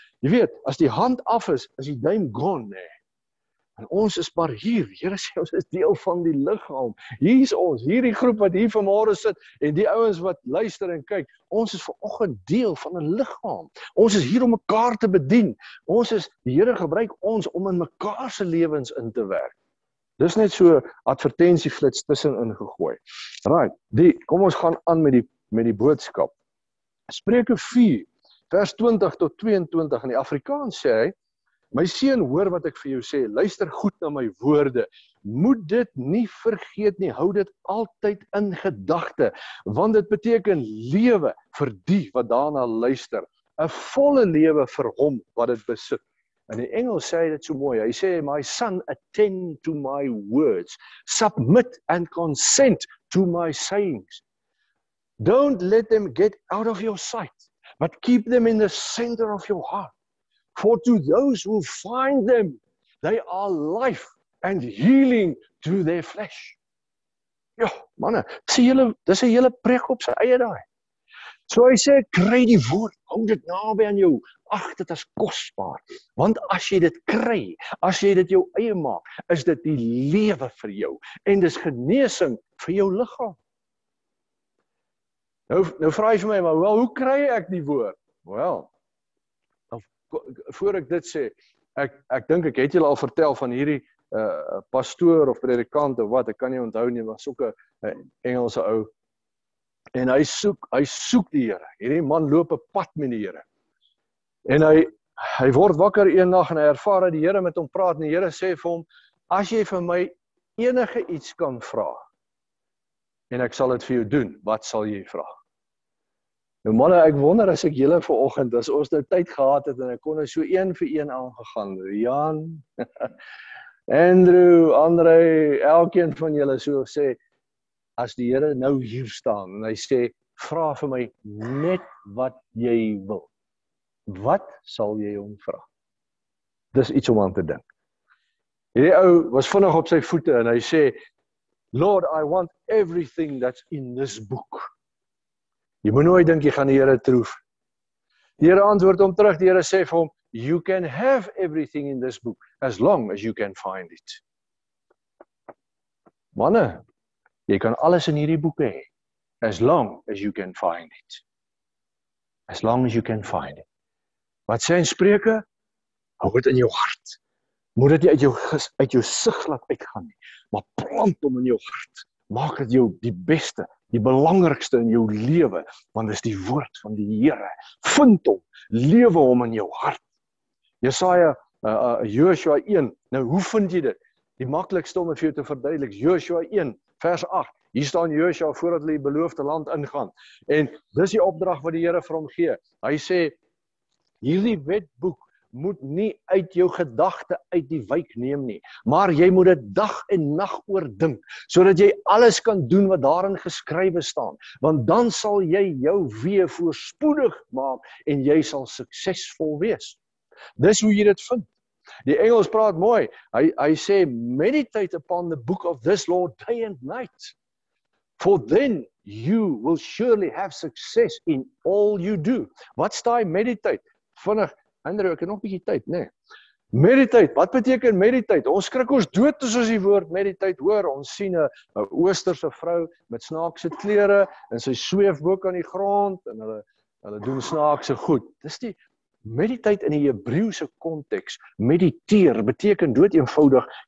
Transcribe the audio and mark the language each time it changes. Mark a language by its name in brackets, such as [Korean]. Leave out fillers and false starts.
[Afrikaans] Jy weet, as die hand af is, is die duim gone, nee. En ons is maar hier, Here sê, ons is deel van die liggaam. Hier is ons, hierdie groep wat hier vanmôre sit, en die ouens wat luister en kyk, ons is vanoggend deel van 'n liggaam. Ons is hier om mekaar te bedien. Ons is, die Here gebruik ons om in mekaar se lewens in te werk. Dis net so advertensieflits tussenin gegooi. Right, kom ons gaan aan met die boodskap. Spreuke 4 vers 20 tot 22 in die Afrikaans sê hy: My seun, hoor wat ek vir jou sê, luister goed na my woorde. Moet dit nie vergeet nie, hou dit altyd in gedagte, want dit beteken lewe vir die wat daarna luister, 'n volle lewe vir hom wat dit besit. En die Engels sê dit so mooi, hy sê, [English] my son, attend to my words, submit and consent to my sayings. Don't let them get out of your sight, but keep them in the center of your heart. For to those who find them, they are life and healing to their flesh. [Afrikaans] Ja, manne, dis een hele preek op sy eie daai. So hy sê, kry die woord, hou dit naby aan jou, ach, dit is kostbaar, want as jy dit kry, as jy dit jou eie maak, is dit die lewe vir jou, en dis genesing vir jou liggaam. Nou vraag jy vir my, maar wel, hoe kry ek die woord? Wel, voor ek dit sê, ek dink ek het julle al vertel van hierdie pastoor of predikant of wat, ek kan nie onthou nie, maar soek 'n Engelse ou, en hy soek die Here. Hierdie man loop 'n pad met die Here. En hy word wakker eendag en hy ervaar dat die Here met hom praat en die Here sê vir hom: "As jy vir my enige iets kan vra, en ek sal dit vir jou doen. Wat sal jy vra?" Nou manne, ek wonder as ek julle vanoggend as ons nou tyd gehad het en ek kon so een vir een aangegaan. Jan, Andrew, Andre, elkeen van julle so sê as die Here nou hier staan, en hy sê, vra vir my net wat jy wil, wat sal jy hom vra? Dis iets om aan te dink. Hierdie ou was vinnig op sy voete, en hy sê, [English] Lord, I want everything that's in this book. [Afrikaans] Jy moet nooit dink, jy gaan die Here troef. Die Here antwoord hom terug, die Here sê vir hom, [English] you can have everything in this book, as long as you can find it. [Afrikaans] Manne, jy kan alles in hierdie boek hê, [English] as long as you can find it. As long as you can find it. [Afrikaans] Wat sê in Spreuke? Hou dit in jou hart. Moet dit nie uit jou sig laat uitgaan nie, maar plant hom in jou hart. Maak dit jou die beste, die belangrikste in jou lewe, want dit is die woord van die Here. Vind hom, lewe hom in jou hart. Jesaja, Joshua 1, nou hoe vind jy dit? Die maklikste om vir jou te verduidelik, Joshua 1, Vers 8, hier staan Joshua voordat hulle die beloofde land ingaan. En dis die opdrag wat die Here vir hom gee. Hy sê, hierdie wetboek moet nie uit jou gedagte uit die wijk neem nie. Maar jy moet dit dag en nag oor dink, sodat jy alles kan doen wat daarin geskrywe staan. Want dan sal jy jou weer voorspoedig maak en jy sal suksesvol wees. Dis hoe jy dit vind. Die Engels praat mooi. Hy sê, [English] meditate upon the book of this law day and night. For then you will surely have success in all you do. [Afrikaans] Wat staai meditate? Vinnig, Andrew, ek het nog 'n bietjie tyd, nê? Meditate, wat beteken meditate? Ons skrik ons dood as ons die woord meditate hoor. Ons sien 'n oosterse vrou met snaakse klere en sy sweef bo kan die grond en hulle doen snaakse goed. Dis die meditate in die Hebreëse konteks. Mediteer beteken dood eenvoudig.